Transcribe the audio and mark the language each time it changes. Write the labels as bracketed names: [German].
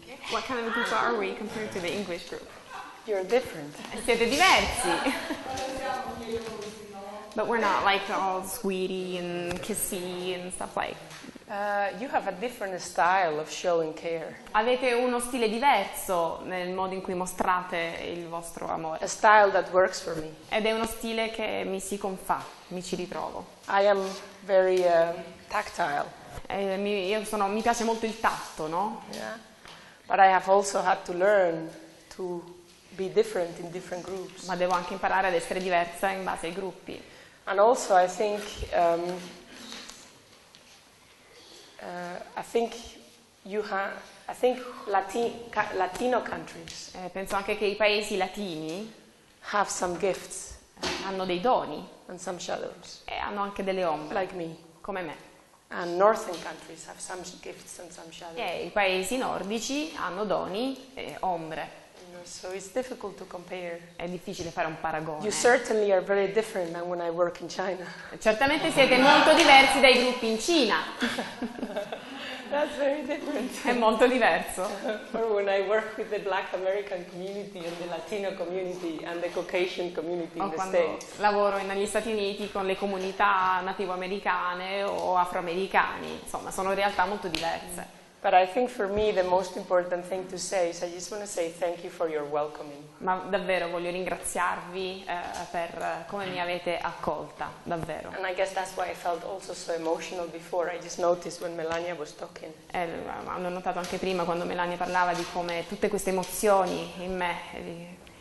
[English] What kind of group are we compared to the English group? You're different. [Italian] Siete diversi. [English] But we're not like all sweetie and kissy and stuff like. You have a different style of showing care. [Italian] Avete uno stile diverso nel modo in cui mostrate il vostro amore. [English] A style that works for me. [Italian] Ed è uno stile che mi si confà, mi ci ritrovo. [English] I am very tactile. [Italian] Mi piace molto il tatto, no? [English] Yeah. But I have also had to learn to be different in different groups. [Italian] Ma devo anche imparare ad essere diversa in base ai gruppi. [English] And also I think Latino countries. [Italian] Penso anche che i paesi latini [English] have some gifts. [Italian] Hanno dei doni. [English] And some shadows. [Italian] E hanno anche delle ombre. [English] Like me. [Italian] Come me. [English] And northern countries have some gifts and some shadows. [Italian] Yeah, i paesi nordici hanno doni e ombre. [English] So it's difficult to compare. [Italian] È difficile fare un paragone. [English] You certainly are very different than when I work in China. [Italian] Certamente siete molto diversi dai gruppi in Cina. [English] That's very different. [Italian] È molto diverso. [English] Or when I work with the Black American community and the Latino community and the Caucasian community in the States. [Italian] Quando lavoro negli Stati Uniti con le comunità nativo-americane o afroamericani, insomma, sono realtà molto diverse. [English] But I think for me the most important thing to say is I just want to say thank you for your welcoming. [Italian] Ma davvero voglio ringraziarvi per come mi avete accolta, davvero. [English] And I guess that's why I felt also so emotional before. I just noticed when Melania was talking. [Italian] Ho notato anche prima quando Melania parlava di come tutte queste emozioni in me.